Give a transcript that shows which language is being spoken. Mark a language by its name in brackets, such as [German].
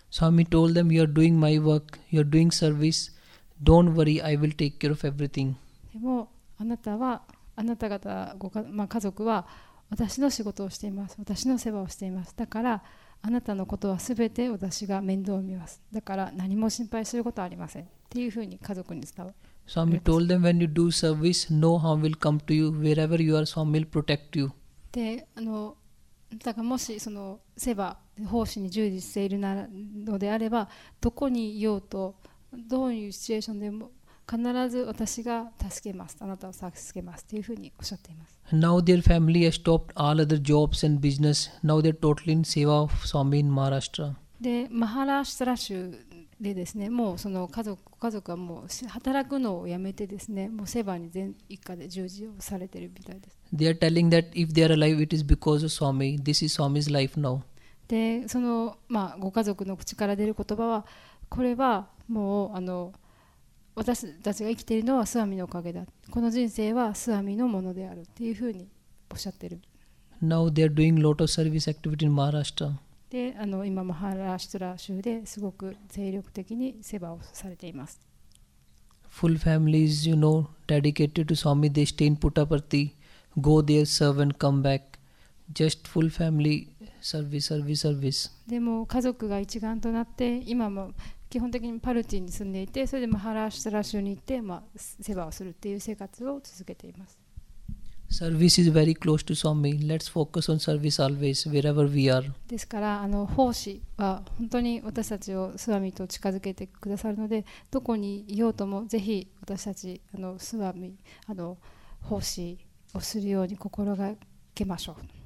[English] Swami told them, you are doing my work, you are doing service. Don't worry, I will take care of everything. [Japanese] でも、あなた方ご 家,、まあ、家族は私の仕事をしています、私の世話をしています、だからあなたのことはすべて私が面倒を見ます、だから何も心配することはありませんっていうふうに家族に伝わる。 [English] Swami told them when you do service no harm will come to you wherever you are Swami will protect you. [Japanese] で、だからもしその世話奉仕に従事しているのであれば、どこにいようとどういうシチュエーションでも必ず私が助けます。あなたを助けます。というふうにおっしゃっています。 [English] Now their family has stopped all other jobs and business. Now they're totally in seva of Swami in Maharashtra. [Japanese] で、マハラシュトラ州でですね、もうその家族はもう働くのをやめてですね、もうセバに全一家で従事をされているみたいです。 [English] They are telling that if they are alive, it is because of Swami. This is Swami's life now. [Japanese] で、その、まあ、ご家族の口から出る言葉は、これはもう私たちが生きているのはスワミのおかげだ。この人生はスワミのものであるっていうふうにおっしゃってる。 [English] Now they are doing lot of service activity in Maharashtra. [Japanese] で、今マハラシュトラ州ですごく精力的に世話をされています。 [English] Full families, you know, dedicated to Swami, they stay in Puttaparthi, go there, serve and come back. Just full family service, service, service. [Japanese] でも家族が一丸となって今も基本的にパルティに住んでいて、それでマハラシュトラ州に行って、まあ、世話をするっていう生活を続けています。 [English] Service is very close to Swami. Let's focus on service always, wherever we are. [Japanese] ですから、奉仕は本当に私たちをスワミと近づけてくださるので、どこにいようとも、ぜひ私たち、スワミ、奉仕をするように心がけましょう。